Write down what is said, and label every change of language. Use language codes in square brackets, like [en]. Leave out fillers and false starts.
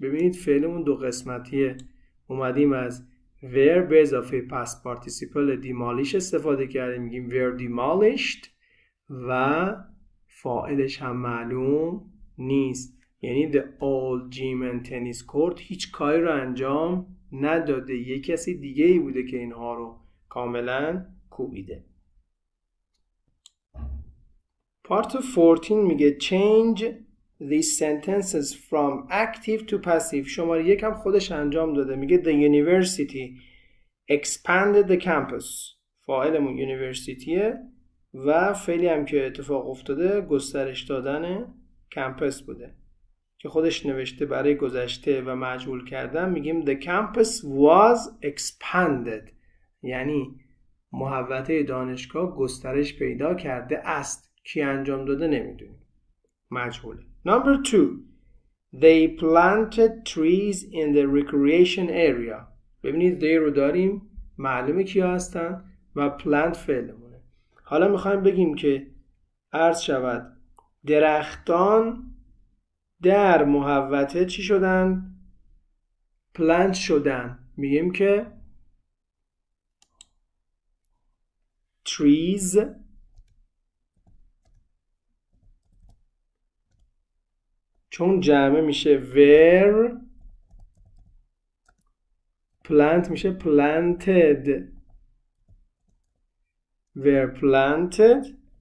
[fa] ببینید فعلمون دو قسمتیه، اومدیم از were به اضافه past participle demolish استفاده کردیم، میگیم [en] were demolished [fa] و فاعلش هم معلوم نیست، یعنی [en] the old gym and tennis court [fa] هیچ کاری رو انجام نداده، یه کسی دیگه ای بوده که اینها رو کاملا کوبیده. [en] Part 14 [fa] میگه [en] change these sentences from active to passive. [fa] شماره یک هم خودش انجام داده، میگه [en] the university expanded the campus. [fa] فاعلمون یونیورسیتیه و فعلی هم که اتفاق افتاده گسترش دادن کمپس بوده که خودش نوشته برای گذشته و مجهول کردن میگیم [en] the campus was expanded، [fa] یعنی محوطه دانشگاه گسترش پیدا کرده است. کی انجام داده نمیدونیم، مجهوله. [en] Number 2, they planted trees in the recreation area. [fa] ببینید they رو داریم، معلومه کیا هستن و plant فعلمونه. حالا میخوایم بگیم که عرض شود درختان در محوطه چی شدن؟ plant شدن. میگیم که trees چون جمع میشه were plant میشه planted [en] were planted.